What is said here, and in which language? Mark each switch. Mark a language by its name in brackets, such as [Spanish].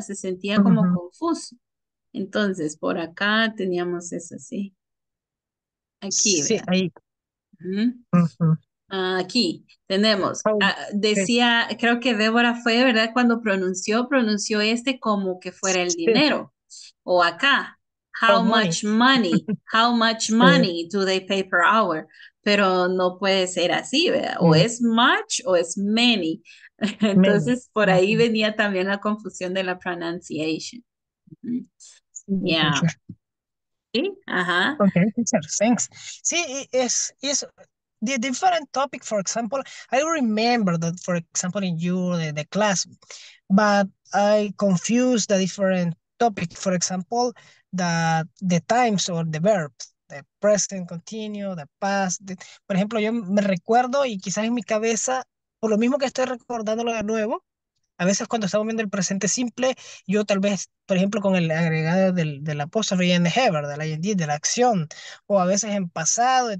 [Spanish] Se sentía como uh-huh. confuso. Entonces, por acá teníamos eso, sí. Aquí, ¿verdad? Sí, ahí. Uh-huh. Uh-huh. Aquí tenemos. Oh, decía, okay. Creo que Débora fue, ¿verdad? Cuando pronunció este como que fuera el dinero. Sí. O acá, [English] how oh, much money, how much money do they pay per hour? [Spanish] Pero no puede ser así, ¿verdad? Sí. O es much o es many. Entonces, many. Por ahí venía también la confusión de la pronunciation. Mm-hmm. Yeah. Sí, ajá. [English] Okay, teacher, thanks. [Spanish] Sí, [English] es the different topic, for example, I remember that, for example, in your the class, but I confused the different topic, for example, the times or the verbs. The present, continue, the past. [Spanish] Por ejemplo, yo me recuerdo y quizás en mi cabeza, por lo mismo que estoy recordándolo de nuevo, a veces cuando estamos viendo el presente simple, yo tal vez, por ejemplo, con el agregado del apóstrofe en the ever, del ing, de la acción, o a veces en pasado.